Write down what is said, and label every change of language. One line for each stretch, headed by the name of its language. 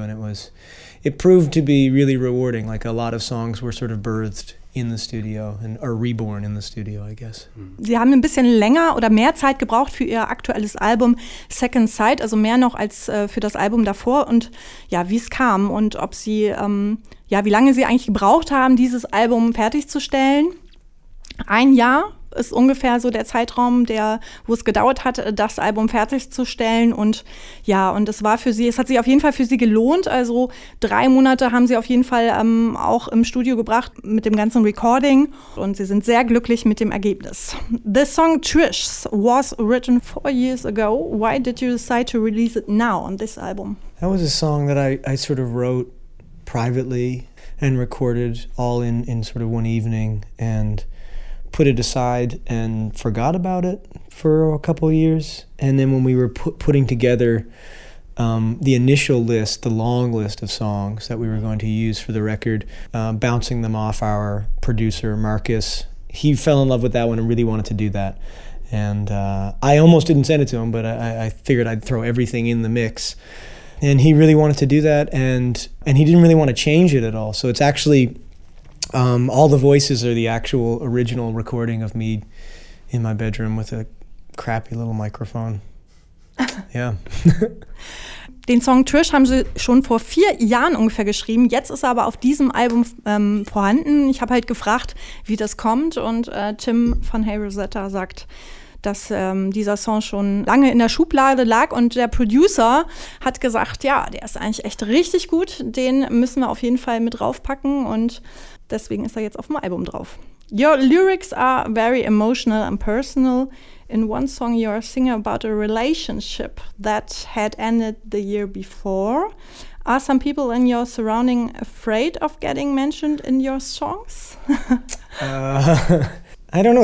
English: And it proved to be really rewarding. Like, a lot of songs were sort of birthed in the studio and are reborn in the studio, I guess.
German: Sie haben ein bisschen länger oder mehr Zeit gebraucht für ihr aktuelles Album Second Sight, also mehr noch als für das Album davor. Und ja, wie es kam und ob sie, wie lange sie eigentlich gebraucht haben, dieses Album fertigzustellen. Ein Jahr ist ungefähr so der Zeitraum, wo es gedauert hat, das Album fertigzustellen. Und ja, und es war für sie, es hat sich auf jeden Fall für sie gelohnt. Also 3 Monate haben sie auf jeden Fall auch im Studio gebracht mit dem ganzen Recording. Und sie sind sehr glücklich mit dem Ergebnis.
English: The song Trish was written 4 years ago. Why did you decide to release it now on this album? That was a song that I sort of wrote privately and recorded all in sort of one evening and put it aside and forgot about it for a couple of years. And then when we were putting together the initial list, the long list of songs that we were going to use for the record, bouncing them off our producer, Marcus, he fell in love with that one and really wanted to do that. And I almost didn't send it to him, but I figured I'd throw everything in the mix. And he really wanted to do that, and he didn't really want to change it at all. So it's actually, all the voices are the actual original recording of me in my bedroom with a crappy little microphone. Yeah.
German: Den Song Trish haben sie schon vor 4 Jahren ungefähr geschrieben. Jetzt ist er aber auf diesem Album vorhanden. Ich habe halt gefragt, wie das kommt, und Tim von Hey Rosetta sagt, dass dieser Song schon lange in der Schublade lag, und der Producer hat gesagt, ja, der ist eigentlich echt richtig gut, den müssen wir auf jeden Fall mit draufpacken, und deswegen ist er jetzt auf dem Album drauf.
English: Your lyrics are very emotional and personal. In one song you are singing about a relationship that had ended the year before. Are some people in your surrounding afraid of getting mentioned in your songs? I don't know.